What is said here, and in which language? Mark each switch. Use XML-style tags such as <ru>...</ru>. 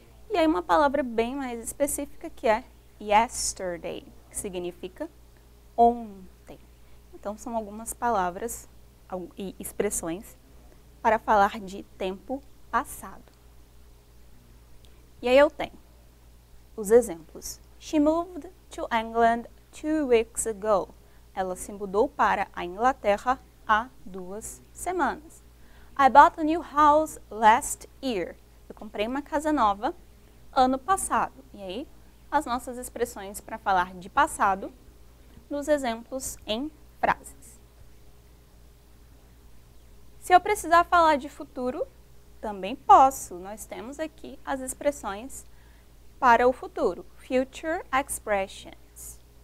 <pt>E aí uma palavra bem mais específica que é yesterday, que significa ontem. Então são algumas palavras e expressões para falar de tempo passado. E aí eu tenho os exemplos.</pt> <en>She moved to England 2 weeks ago.</en> <pt>Ela se mudou para a Inglaterra há 2 semanas.</pt> <en>I bought a new house last year.</en> <pt>Eu comprei uma casa nova ano passado. E aí, as nossas expressões para falar de passado nos exemplos em frases. Se eu precisar falar de futuro, também posso. Nós temos aqui as expressões para o futuro, future expressions.</pt>